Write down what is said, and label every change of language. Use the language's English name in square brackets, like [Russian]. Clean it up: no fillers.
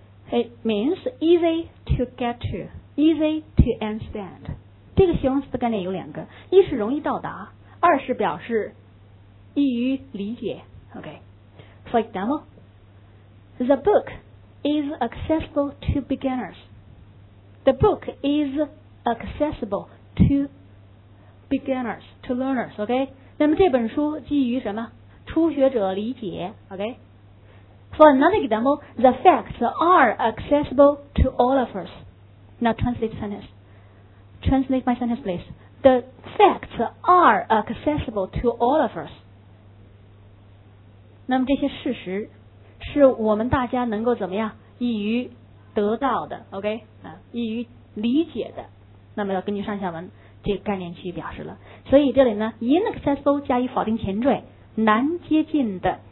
[English] It means easy to get to, easy to understand. [Chinese] 这个形容词的概念有两个，一是容易到达，二是表示易于理解。 [English] OK, for example, the book is accessible to beginners. The book is accessible to beginners, to learners. OK, [Chinese] 那么这本书基于什么？初学者理解。OK. [English] For another example, the facts are accessible to all of us. Now translate sentence. Translate my sentence, please. The facts are accessible to all of us. [Chinese] 那么这些事实是我们大家能够怎么样易于得到的 ,OK? 易于理解的。那么要根据上下文这个概念去表示了。所以这里呢 ,inaccessible 加以否定前缀难接近的。